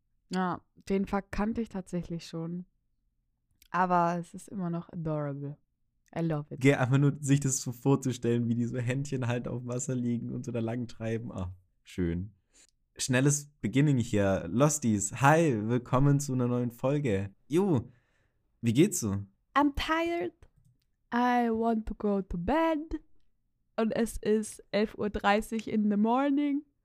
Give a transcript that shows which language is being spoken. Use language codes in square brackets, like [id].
[de] ja, den verkannte ich tatsächlich schon. Aber es ist immer noch adorable. [en] I love it. [de] Geh einfach nur sich das so vorzustellen, wie die so Händchen halt auf dem Wasser liegen und so da lang treiben. Ah, schön. Schnelles Beginning hier. Losties, hi, willkommen zu einer neuen Folge. Jo, wie geht's so? [en] I'm tired. I want to go to bed. [de] Und es ist 11:30 Uhr [en] in the morning.